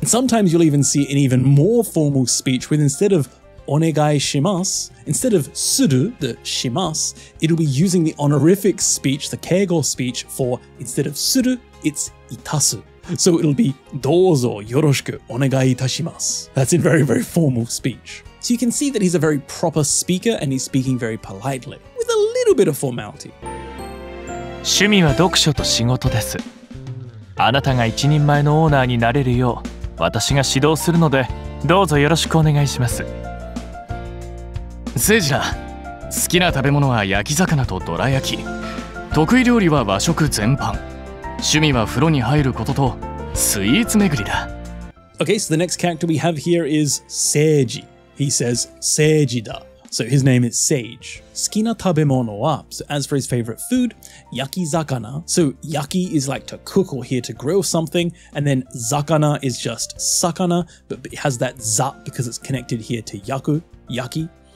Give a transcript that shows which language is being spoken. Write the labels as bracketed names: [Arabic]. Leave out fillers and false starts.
[English] And sometimes you'll even see an even more formal speech with instead of Onegai Shimasu, instead of Suru, the Shimasu, it'll be using the honorific speech, the Keigo speech, for instead of Suru, it's Itasu. So it'll be [Japanese] Dōzo Yoroshiku Onegai Itashimasu. [English] That's in very, very formal speech. So you can see that he's a very proper speaker and he's speaking very politely, with a little bit of formality. [Japanese] 趣味は読書と仕事です。あなたが一人前のオーナーになれるよう、私が指導するので、どうぞよろしくお願いします。セイジラ、好きな食べ物は焼き魚とどら焼き。得意料理は和食全般。趣味は風呂に入ることとスイーツ巡りだ。 [English] Okay, so the next character we have here is Seiji. He says, Seiji da. So his name is Sage. 好きな食べ物は, so as for his favorite food, 焼き魚. So 焼き is like to cook or here to grill something, and then 魚 is just 魚, but it has that za because it's connected here to 焼く, 焼き.